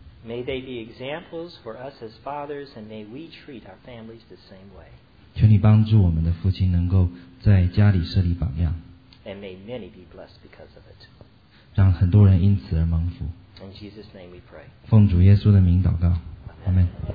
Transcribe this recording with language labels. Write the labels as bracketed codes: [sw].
[en] May they be examples for us as fathers, and may we treat our families the same way. [zh] 求你帮助我们的父亲能够在家里设立榜样。 [en] And may many be blessed because of it. [zh] 让很多人因此而蒙福。 [en] In Jesus' name we pray. [zh] 奉主耶稣的名祷告。阿门。